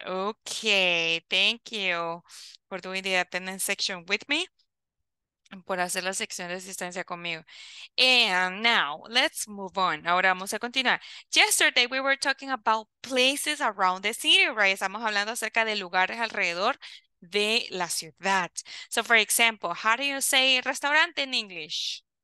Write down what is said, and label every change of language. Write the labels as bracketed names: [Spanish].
[English] Okay, thank you for doing the attendance section with me. [Spanish] Por hacer la sección de asistencia conmigo. [English] And now, let's move on. [Spanish] Ahora vamos a continuar. [English] Yesterday, we were talking about places around the city, right? [Spanish] Estamos hablando acerca de lugares alrededor de la ciudad. [English] So, for example, how do you say restaurante in English?